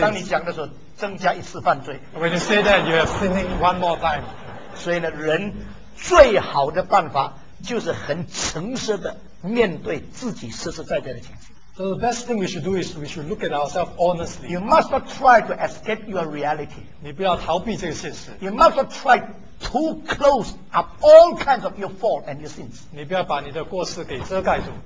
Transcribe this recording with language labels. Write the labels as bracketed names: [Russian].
[Chinese] 当你讲的时候，增加一次犯罪。 [English] When you say that, you have sinning one more time. [Chinese] 所以呢，人最好的办法就是很诚实的面对自己实实在在的情形。 [English] So the best thing we should look at ourselves honestly. You must not try to escape your reality. [Chinese] 你不要逃避这个现实。 [English] You must not try to close up all kinds of your fault and your sins. [Chinese] 你不要把你的过失给遮盖住。